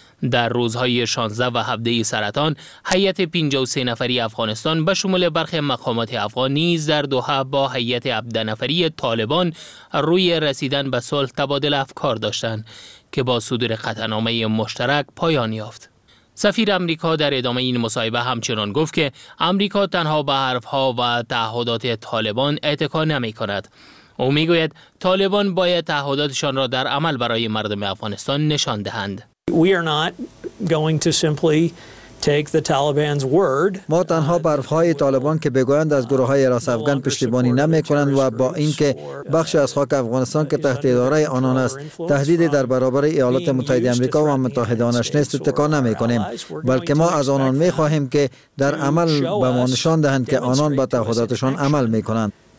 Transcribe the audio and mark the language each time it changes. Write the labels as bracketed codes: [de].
[fa] در روزهای 16 و 17 سرطان، هیئت 53 نفری افغانستان به شمول برخی مقامات افغان نیز در دوحه با هیئت 17 نفری طالبان روی رسیدن به صلح تبادل افکار داشتند که با صدور قطعنامه مشترک پایان یافت. سفیر آمریکا در ادامه این مصاحبه همچنان گفت که آمریکا تنها به حرف‌ها و تعهدات طالبان اتکا نمی‌کند. او می‌گوید طالبان باید تعهداتشان را در عمل برای مردم افغانستان نشان دهند. [en] We are not going to simply take the Taliban's word. [fa] ما تنها برف‌های طالبان که بگویند از گروه‌های راس‌افغان پشتیبانی نمی‌کنند و با اینکه بخش از خاک افغانستان که تحت اداره آنان است، تهدید در برابر ایالات متحده آمریکا و متحدانش نیست، اتکا نمی‌کنیم، بلکه ما از آنان می‌خواهیم که در عمل به ما نشان دهند که آنان به تعهداتشان عمل می‌کنند.